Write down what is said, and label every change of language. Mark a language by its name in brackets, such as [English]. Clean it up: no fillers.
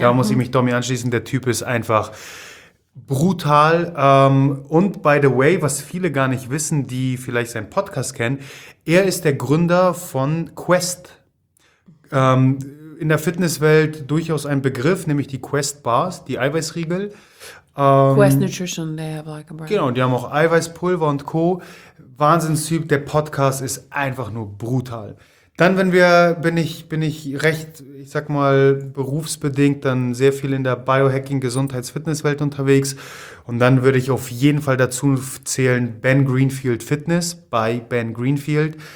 [German] Da muss ich mich Domi anschließen. Der Typ ist einfach brutal. Und [English] by the way, [German] was viele gar nicht wissen, die vielleicht seinen Podcast kennen, er ist der Gründer von Quest. In der Fitnesswelt durchaus ein Begriff, nämlich die Quest Bars, die Eiweißriegel. [English] Quest Nutrition, they have like a brand. [German] Genau, die haben auch Eiweißpulver und Co. Wahnsinnstyp, der Podcast ist einfach nur brutal. Dann, bin ich recht, ich sag mal, berufsbedingt dann sehr viel in der Biohacking-Gesundheits-Fitness-Welt unterwegs. Und dann würde ich auf jeden Fall dazu zählen Ben Greenfield Fitness bei Ben Greenfield.